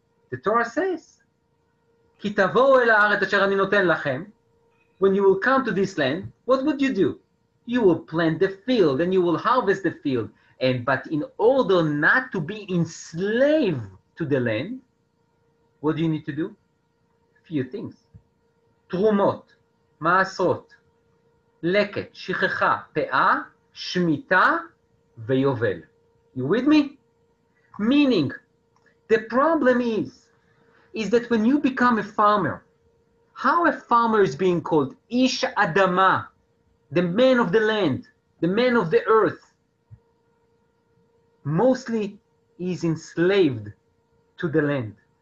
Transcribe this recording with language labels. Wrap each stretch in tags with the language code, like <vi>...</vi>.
<en>The Torah says,</en> <he>"Ki tavo el haaretz asher ani noten lachem."</he> <en>When you will come to this land, what would you do? You will plant the field and you will harvest the field. And but in order not to be enslaved to the land, what do you need to do? A few things. Trumot.</en> <he>מעשרות, לקט, שכחה, פאה, שמיטה, ויובל.</he> <en>You with me? Meaning, the problem is that when you become a farmer, how a farmer is being called? Ish Adama, the man of the land, the man of the earth, mostly is enslaved to the land.</en>